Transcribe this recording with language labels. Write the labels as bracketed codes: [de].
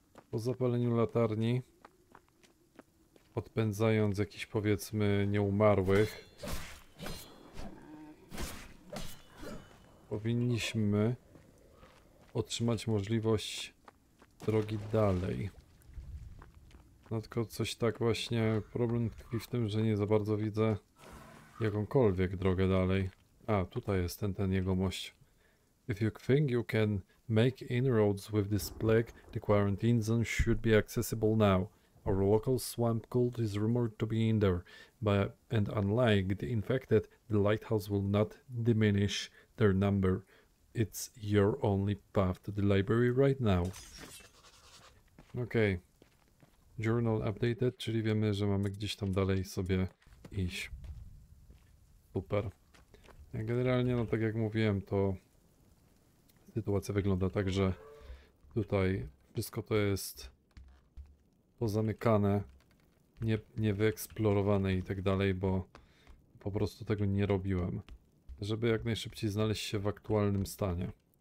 [pl] Po zapaleniu latarni, odpędzając jakiś powiedzmy nieumarłych, powinniśmy otrzymać możliwość drogi dalej. No tylko coś tak właśnie, problem tkwi w tym, że nie za bardzo widzę jakąkolwiek drogę dalej. A, tutaj jest ten jegomość. [en] If you think you can make inroads with this plague, the quarantine zone should be accessible now. Our local swamp cult is rumored to be in there, but and unlike the infected, the lighthouse will not diminish their number. It's your only path to the library right now. Okay. Journal updated, [pl] czyli wiemy, że mamy gdzieś tam dalej sobie iść. Super. Generalnie, no tak jak mówiłem, to sytuacja wygląda tak, że tutaj wszystko to jest pozamykane, niewyeksplorowane i tak dalej, bo po prostu tego nie robiłem, żeby jak najszybciej znaleźć się w aktualnym stanie.